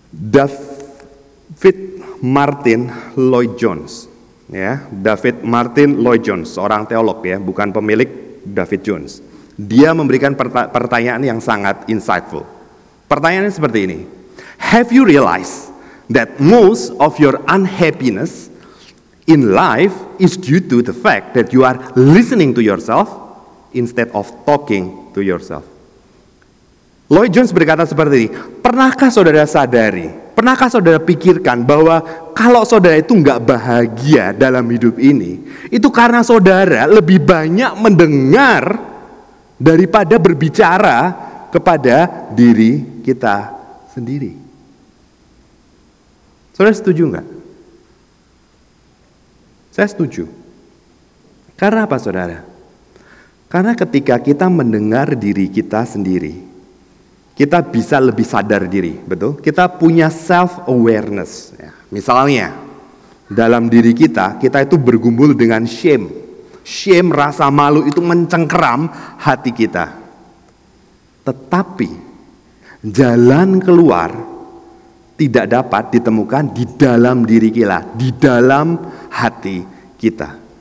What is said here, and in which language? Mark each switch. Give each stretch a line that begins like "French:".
Indonesian: David Martin Lloyd-Jones. Ya, David Martin Lloyd-Jones, seorang teolog ya, bukan pemilik David Jones. Dia memberikan pertanyaan yang sangat insightful. Pertanyaannya seperti ini.
English: Have you realized that most of your unhappiness in life is due to the fact that you are listening to yourself instead of talking to yourself?
Indonesian: Lloyd-Jones berkata seperti ini. Pernahkah saudara sadari? Pernahkah saudara pikirkan bahwa kalau saudara itu enggak bahagia dalam hidup ini, itu karena saudara lebih banyak mendengar daripada berbicara kepada diri kita sendiri? Saudara setuju enggak? Saya setuju. Karena apa saudara? Karena ketika kita mendengar diri kita sendiri, kita bisa lebih sadar diri, betul? Kita punya self-awareness. Ya. Misalnya, dalam diri kita, kita itu bergumul dengan shame. Shame, rasa malu itu mencengkeram hati kita. Tetapi, jalan keluar tidak dapat ditemukan di dalam diri kita, di dalam hati kita.